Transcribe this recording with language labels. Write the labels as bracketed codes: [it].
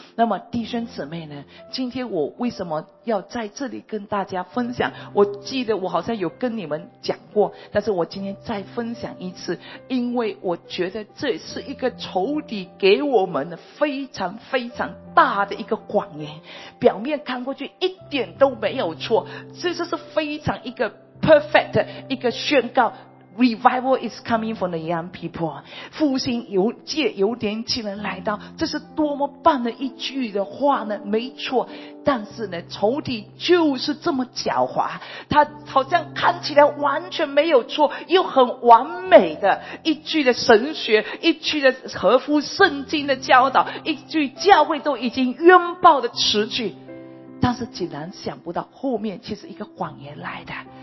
[zh] 那么弟兄姊妹呢，今天我为什么要在这里跟大家分享，我记得我好像有跟你们讲过，但是我今天再分享一次，因为我觉得这是一个仇敌给我们非常非常大的一个谎言，表面看过去一点都没有错，这就是非常一个 perfect 的一个宣告。 [en] Revival is coming from the young people. [zh] 复兴借由年轻人来到，这是多么棒的一句的话呢？没错，但是呢，仇敌就是这么狡猾，他好像看起来完全没有错，又很完美的一句的神学，一句的合乎圣经的教导，一句教会都已经拥抱的词句，但是竟然想不到后面其实一个谎言来的。